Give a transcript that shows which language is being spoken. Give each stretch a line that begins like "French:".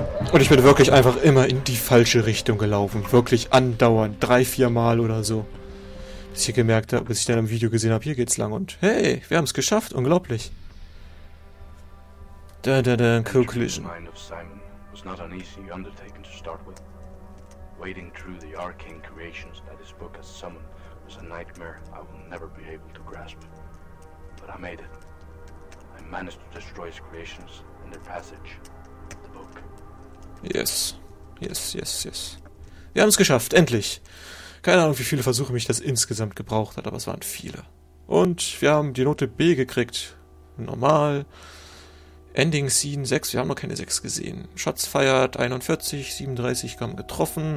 German: Und ich bin wirklich einfach immer in die falsche Richtung gelaufen. Wirklich andauernd. 3-4 Mal oder so. Bis ich gemerkt habe, bis ich dann im Video gesehen habe, hier geht's lang. Und hey, wir haben es geschafft. Unglaublich. Da, Co-Collision.
English: Mind of Simon was not an easy undertaking to start with. Wading through the arcane creations that his book has summoned was a nightmare I will never be able to grasp. But I made it. I managed to destroy his creations and their passage. The book. Yes.
German: Wir haben es geschafft, endlich. Keine Ahnung, wie viele Versuche mich das insgesamt gebraucht hat, aber es waren viele. Und wir haben die Note B gekriegt. Normal. Ending Scene 6, wir haben noch keine 6 gesehen. Shots feiert 41, 37 Gramm getroffen.